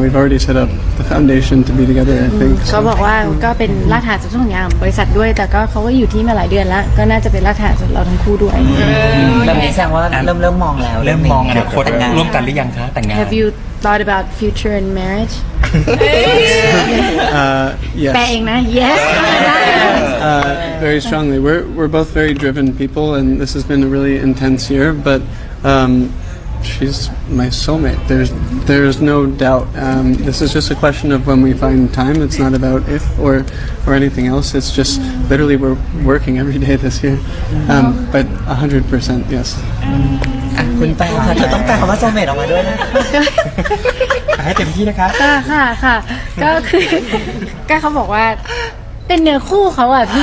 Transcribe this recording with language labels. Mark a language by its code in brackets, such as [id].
[en] We've already set up the foundation to be together. I think. [th] เขาบอกว่าก็เป็นรากฐานสำหรับงานบริษัทด้วยแต่ก็เขาก็อยู่ที่มาหลายเดือนแล้วก็น่าจะเป็นรากฐานสำหรับเราทั้งคู่ด้วย แต่แสดงว่าเริ่มมองแล้ว เริ่มมองอนาคตร่วมกันหรือยังคะแต่งงาน [en] Have you thought about future and marriage? yes. [th] แปลเองนะ [en] Yes. Very strongly. We're both very driven people, and this has been a really intense year, but. She's my soulmate. There's no doubt. This is just a question of when we find time. It's not about if or anything else. It's just literally we're working every day this year. But 100% yes. [th] คุณแปลค่ะเธอต้องแปลคำว่า soulmate ออกมาด้วยนะ ให้เต็มที่นะคะ ค่ะค่ะก็คือก็เขาบอกว่าเป็นเนื้อคู่เขาอ่ะพี